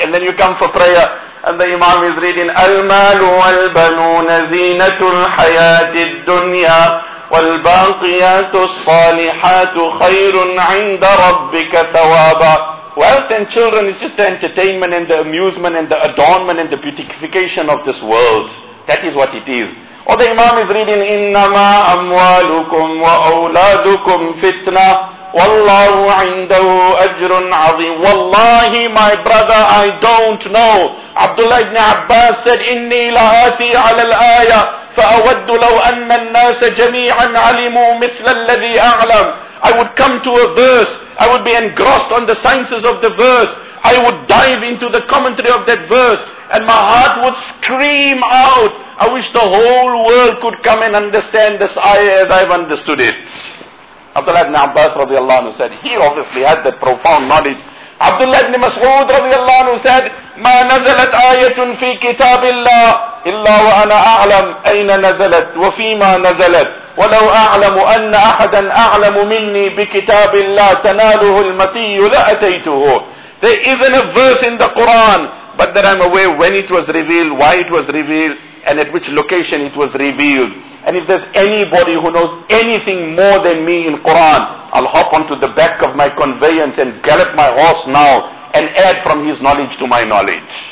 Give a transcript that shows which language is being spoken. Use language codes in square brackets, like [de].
[en] And then you come for prayer and the imam is reading, [ar] المال والبنون زينة الحياة الدنيا والباقيات الصالحات خير عند ربك ثوابا. [en] Wealth and children is just the entertainment and the amusement and the adornment and the beautification of this world. That is what it is. Or the imam is reading, [ar] إِنَّمَا أَمْوَالُكُمْ وَأَوْلَادُكُمْ فِتْنَةٌ وَاللَّهُ عِنْدَهُ أَجْرٌ عَظِيمٌ. [en] Wallahi, my brother, I don't know. Abdullah ibn Abbas said, [ar] إِنِّي لَآتِي عَلَى الْآيَةِ فَأَوَدُّ لَوْ أَنَّ النَّاسَ جَمِيعًا عَلِمُوا مِثْلَ الَّذِي أَعْلَمُ. [en] I would come to a verse, I would be engrossed on the sciences of the verse, I would dive into the commentary of that verse, and my heart would scream out, I wish the whole world could come and understand this ayah as I've understood it. Abdullah ibn Abbas radiallahu anhu said, he obviously had that profound knowledge. Abdullah ibn Mas'ud radiallahu anhu said, [ar] مَا نَزَلَتْ آيَةٌ فِي كِتَابِ اللَّهِ إِلَّا وَأَنَا أَعْلَمْ أَيْنَ نَزَلَتْ وَفِيمَا نَزَلَتْ وَلَوْ أَعْلَمُ أَنَّ أَحَدًا أَعْلَمُ مِنِّي بِكِتَابِ اللَّهِ تَنَالُهُ الْمَتِيُّ لَأَتَيْتُهُ. [en] There isn't a verse in the Quran, but that I'm aware when it was revealed, why it was revealed, and at which location it was revealed. And if there's anybody who knows anything more than me in Quran, I'll hop onto the back of my conveyance and gallop my horse now and add from his knowledge to my knowledge.